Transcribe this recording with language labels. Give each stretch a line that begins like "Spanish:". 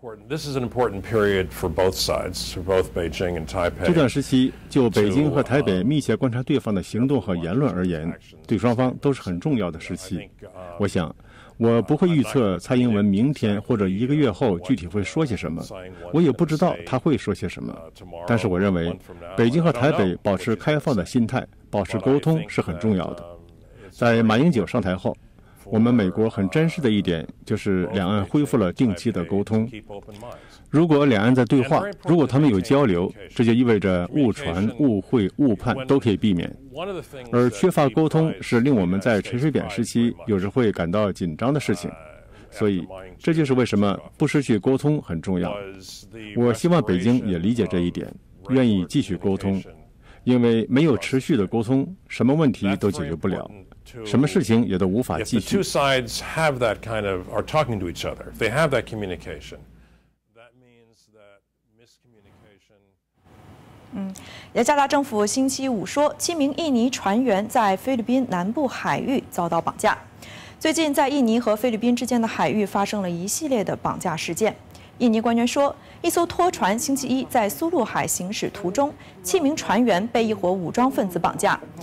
English: This is an important period for both sides, for both Beijing and Taipei.
Chinese: 这段时期，就北京和台北密切观察对方的行动和言论而言，对双方都是很重要的时期。我想，我不会预测蔡英文明天或者一个月后具体会说些什么，我也不知道他会说些什么。但是我认为，北京和台北保持开放的心态，保持沟通是很重要的。在马英九上台后，我们美国很珍视的一点就是两岸恢复了定期的沟通。如果两岸在对话，如果他们有交流，这就意味着误传、误会、误判都可以避免。而缺乏沟通是令我们在陈水扁时期有时会感到紧张的事情。所以这就是为什么不失去沟通很重要。我希望北京也理解这一点，愿意继续沟通，因为没有持续的沟通，什么问题都解决不了。什么事情也都无法继续。
English: If the two sides have that kind of are talking to each other, if they have that communication, that means that miscommunication.
Chinese: 雅加达政府星期五说，七名印尼船员在菲律宾南部海域遭到绑架。最近，在印尼和菲律宾之间的海域发生了一系列的绑架事件。印尼官员说，一艘拖船星期一在苏禄海行驶途中，七名船员被一伙武装分子绑架。